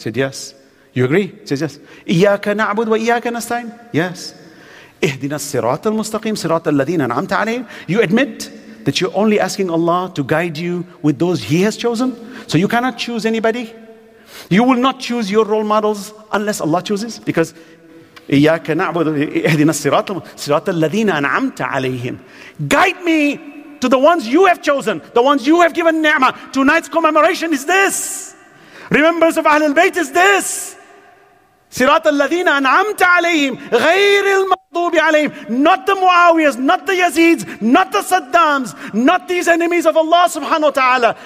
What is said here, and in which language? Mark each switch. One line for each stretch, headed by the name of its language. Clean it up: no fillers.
English: Said yes. You agree? He says, yes.
Arabic: إِيَّاكَ نَعْبُدْ وَإِيَّاكَ نَسْتَعِينَ.
English: Yes.
Arabic: إِهْدِنَا الصِّرَاطَ الْمُسْتَقِيمِ صِرَاطَ الَّذِينَ أَنْعَمْتَ عَلَيْهِمْ.
English: You admit that you're only asking Allah to guide you with those He has chosen. So you cannot choose anybody. You will not choose your role models unless Allah chooses. Because
Arabic: إِيَّاكَ نَعْبُدْ إِهْدِنَا الصِّرَاطَ الَّذِينَ أَنْعَمْتَ عَلَيْهِمْ.
English: Guide me to the ones you have chosen, the ones you have given ni'mah. Tonight's commemoration is this. Remembrance of Ahlulbayt is this.
Arabic: Sirat al-Ladina an'amta alayhim, ghayr al-maghdubi alayhim.
English: Not the Muawiyas, not the Yazids, not the Saddams, not these enemies of Allah subhanahu wa ta'ala.